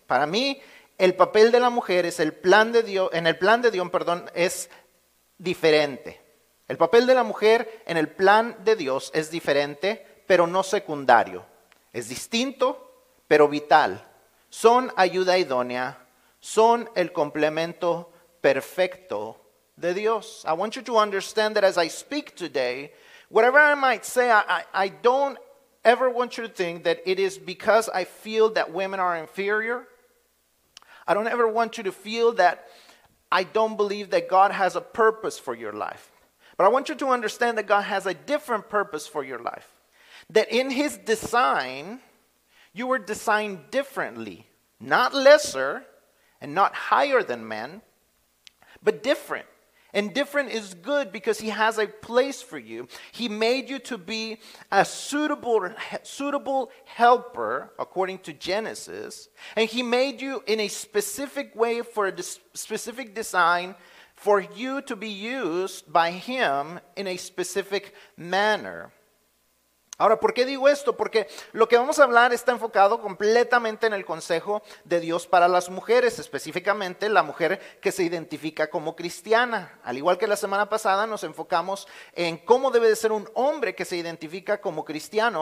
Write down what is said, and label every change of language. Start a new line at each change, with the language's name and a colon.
Spanish: Para mí, el papel de la mujer es el plan de Dios, en el plan de Dios, perdón, es diferente. El papel de la mujer en el plan de Dios es diferente, pero no secundario. Es distinto, pero vital. Son ayuda idónea, son el complemento perfecto de Dios.
English: I want you to understand that as I speak today, whatever I might say, I don't ever want you to think that it is because I feel that women are inferior. I don't ever want you to feel that I don't believe that God has a purpose for your life. But I want you to understand that God has a different purpose for your life. That in His design, you were designed differently. Not lesser and not higher than men, but different. And different is good because He has a place for you. He made you to be a suitable helper, according to Genesis. And He made you in a specific way for a specific design for you to be used by Him in a specific manner.
Spanish: Ahora, ¿por qué digo esto? Porque lo que vamos a hablar está enfocado completamente en el consejo de Dios para las mujeres, específicamente la mujer que se identifica como cristiana. Al igual que la semana pasada, nos enfocamos en cómo debe de ser un hombre que se identifica como cristiano.